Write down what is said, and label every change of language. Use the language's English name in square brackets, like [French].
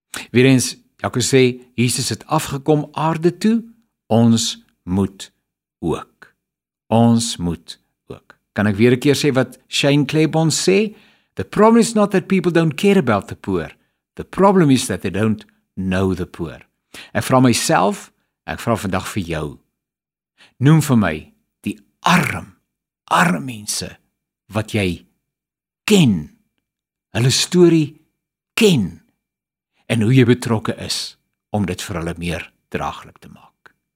[Afrikaans] Weer eens, Jakobus sê, Jesus het afgekom aarde toe, ons moet ook. Ons moet ook. Kan ek weer 'n keer sê wat Shane Claiborne sê? [English] The problem is not that people don't care about the poor. The problem is that they don't know the poor. [Afrikaans] Ek vra myself, ek vra vandag vir jou. Noem vir my die arm mense wat jy ken. Hulle story ken. En hoe jy betrokke is om dit vir hulle meer draaglik te maak.